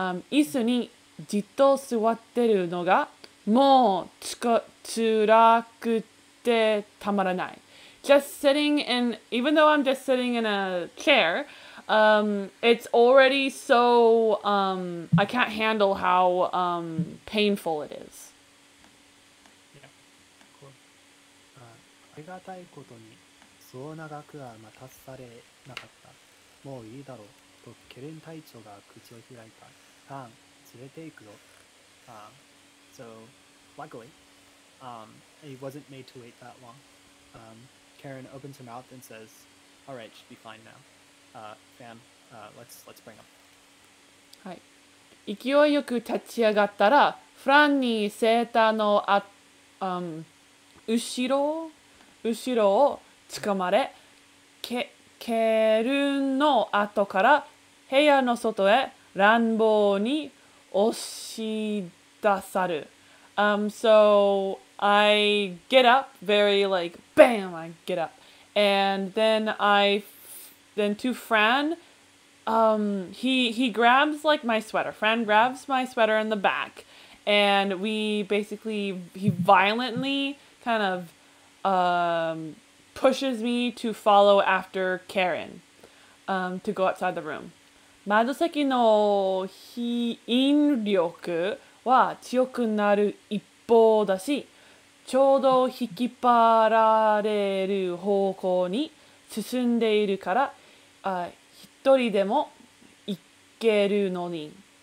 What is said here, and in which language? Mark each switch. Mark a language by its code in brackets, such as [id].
[ja] 椅子にじっと座ってるのがもうつらくてたまらない。 [en] Just sitting in, even though I'm just sitting in a chair, it's already so, I can't handle how, painful it is. Yeah. [ja] ありがたいことに、そう長くは待たされなかった。もういいだろう、とケレン隊長が口を開いた。 [en] So, luckily, he wasn't made to wait that long. Karen opens her mouth and says, "All right, should be fine now. Let's bring him." [ja] はい。勢いよく立ち上がったら、フランにセーターの後ろを掴まれ、ケルンの後から部屋の外へ。乱暴に押し出さる。 [en] So I get up very like bam, I get up. And then then to Fran, he grabs like my sweater. Fran grabs my sweater in the back and we basically, he violently kind of pushes me to follow after Karen to go outside the room. [ja] 窓先の引力は強くなる一方だし、ちょうど引き張られる方向に進んでいるから、一人でも行けるのに。